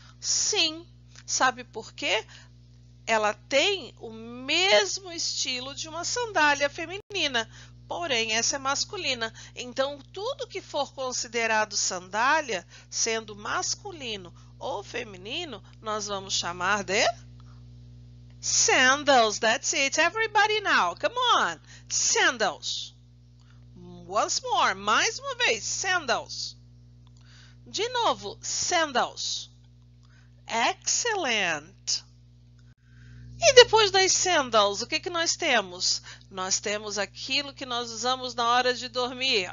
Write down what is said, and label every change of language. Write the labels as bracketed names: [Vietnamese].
[Portuguese] Sim, sabe por quê? Ela tem o mesmo estilo de uma sandália feminina, porém essa é masculina. Então, tudo que for considerado sandália, sendo masculino ou feminino, nós vamos chamar de sandals. [English] That's it, everybody now, come on, sandals. Once more, [Portuguese] mais uma vez, sandals. De novo, sandals. [English] Excellent. [Portuguese] E depois das sandals, o que que nós temos? Nós temos aquilo que nós usamos na hora de dormir.